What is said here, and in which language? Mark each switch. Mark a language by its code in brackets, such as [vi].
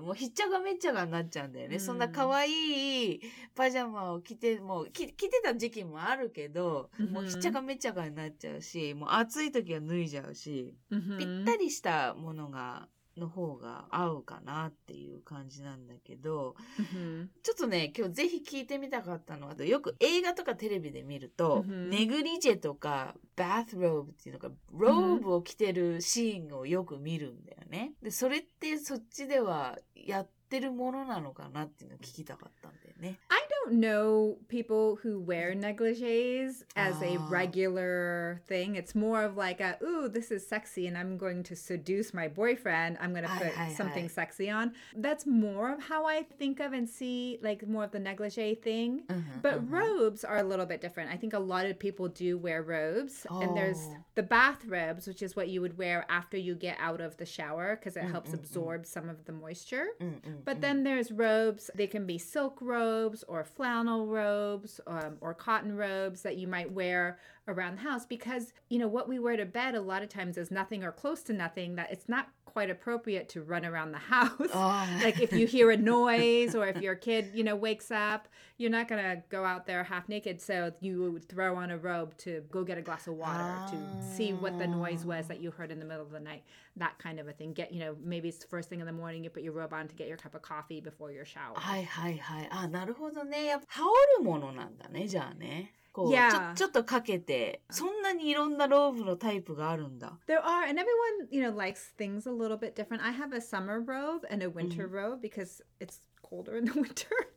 [ja] もうひっちゃがめっちゃがになっちゃうんだよね。うん、そんな可愛いパジャマを着て、もう 着てた時期もあるけど、もうひっちゃがめっちゃがになっちゃうし、もう暑い時は脱いじゃうし、ぴったりしたものが、の方が合うかなっていう感じなんだけど、ちょっとね、今日ぜひ聞いてみたかったのは、よく映画とかテレビで見ると、ネグリジェとか、バスローブっていうのか、ローブを着てるシーンをよく見るんだよね。で、それってそっちではやってるものなのかなっていうのを聞きたかったんだよね。 [en] I don't know people who wear negligees as a regular thing. It's more of like a, ooh, this is sexy and I'm going to seduce my boyfriend. I'm going to put something sexy on. That's more of how I think of and see like more of the negligee thing. But robes are a little bit different. I think a lot of people do wear robes. And there's the bathrobes, which is what you would wear after you get out of the shower because it helps absorb some of the moisture. But then there's robes. They can be silk robes, or flannel robes, or cotton robes that you might wear around the house, because you know what we wear to bed a lot of times is nothing or close to nothing, that it's not quite appropriate to run around the house. Like if you hear a noise or if your kid, you know, wakes up, you're not gonna go out there half naked, so you would throw on a robe to go get a glass of water to see what the noise was that you heard in the middle of the night, that kind of a thing. Get, you know, maybe it's first thing in the morning, you put your robe on to get your cup of coffee before your shower. [ja] Hi hi hi. Ah, なるほどね。やっぱ羽織るものなんだね、じゃあね。 [en] Yeah. [ja] ちょっとかけて、そんなにいろんなローブのタイプがあるんだ。 [en] There are, and everyone, you know, likes things a little bit different. I have a summer robe and a winter robe because it's colder in the winter.